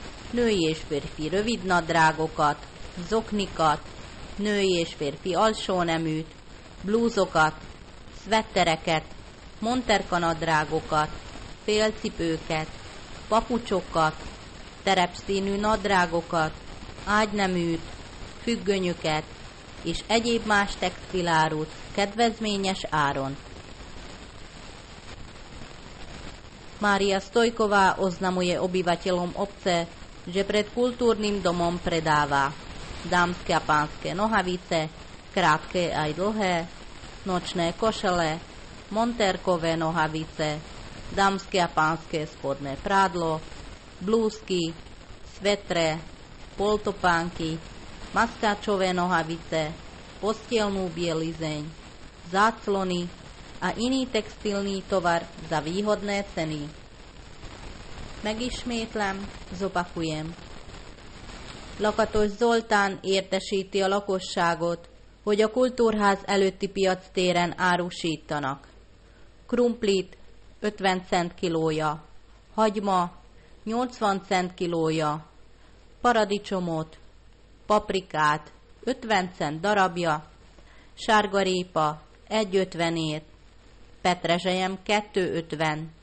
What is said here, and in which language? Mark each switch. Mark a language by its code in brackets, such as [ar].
[hu] női és férfi rövid nadrágokat, zoknikat, női és férfi alsóneműt, blúzokat, szvettereket, monterka nadrágokat, félcipőket, papucsokat, terepszínű nadrágokat, ágyneműt, függönyöket és egyéb más textilárut kedvezményes áron. [sk] Mária Stojková oznamuje obyvateľom obce, že pred kultúrnym domom predáva dámske a pánske nohavice, krátke aj dlhé, nočné košele, monterkové nohavice, dámske a pánske spodné prádlo, blúzky, svetre, poltopánky, maskáčové nohavice, postielnú bielizeň, záclony a iný textilný tovar za výhodné ceny. [hu] Megismétlem, [sk] zopakujem. [hu] Lakatos Zoltán értesíti a lakosságot, hogy a kultúrház előtti piac téren árusítanak. Krumplit 50 cent kilója, hagyma 80 cent kilója, paradicsomot, paprikát 50 cent darabja, sárgarépa 1,50 ér, petrezselyem 2,50,